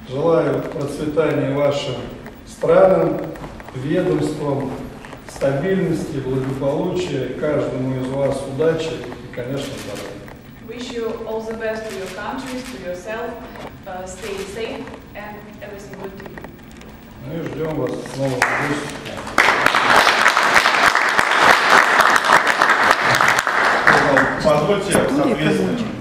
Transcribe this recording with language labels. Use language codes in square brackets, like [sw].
[ru] Желаю процветания вашим странам, ведомствам, стабильности, благополучия, каждому из вас удачи и, конечно, здоровья. [en] Wish you all the best to your countries, to yourself. Stay safe and everything good to you. [ru] Ну и ждем вас снова в гости. Позвольте, соответственно,